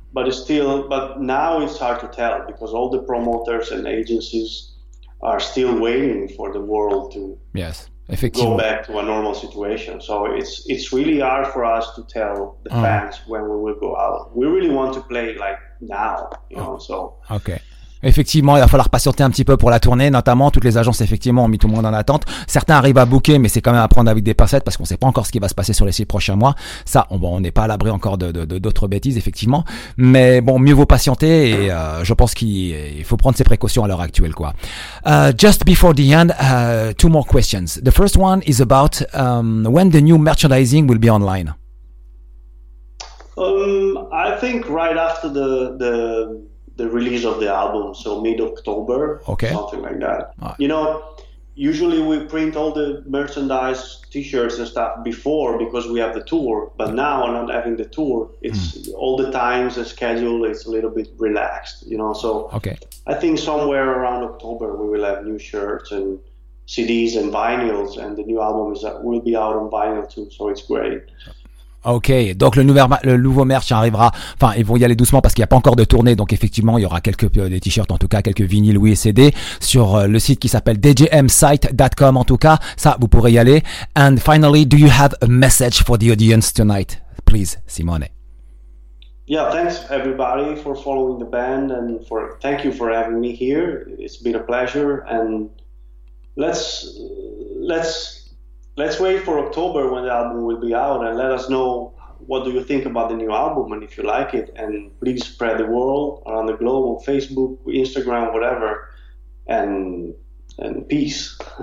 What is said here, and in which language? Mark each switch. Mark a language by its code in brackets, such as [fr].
[en] But now it's hard to tell because all the promoters and agencies are still waiting for the world to Effectively. Go back to a normal situation. So it's really hard for us to tell the fans when we will go out. We really want to play like now, you know, so. Okay. [fr] Effectivement, il va falloir patienter un petit peu pour la tournée, notamment toutes les agences effectivement ont mis tout le monde en attente. Certains arrivent à booker, mais c'est quand même à prendre avec des pincettes parce qu'on ne sait pas encore ce qui va se passer sur les 6 prochains mois. Ça, on n'est pas à l'abri encore de d'autres bêtises effectivement, mais bon, mieux vaut patienter et je pense qu'il faut prendre ses précautions à l'heure actuelle quoi. [en] Just before the end, two more questions. The first one is about when the new merchandising will be online. I think right after the release of the album, so mid-October, okay. Something like that. Right. You know, usually we print all the merchandise, t-shirts and stuff before because we have the tour, but now not having the tour, it's all the times and schedule is a little bit relaxed, you know, so okay. I think somewhere around October we will have new shirts and CDs and vinyls, and the new album will be out on vinyl too, so it's great. [fr] Ok, donc le nouveau merch arrivera. Enfin, ils vont y aller doucement parce qu'il n'y a pas encore de tournée. Donc effectivement, il y aura quelques des t-shirts, en tout cas quelques vinyles, oui, et CD sur le site qui s'appelle djmsite.com. En tout cas, ça, vous pourrez y aller. [en] And finally, do you have a message for the audience tonight, please, Simone? Yeah, thanks everybody for following the band and for thank you for having me here. It's been a pleasure and let's wait for October when the album will be out and let us know what do you think about the new album and if you like it, and please spread the word around the globe on Facebook, Instagram, whatever, and peace.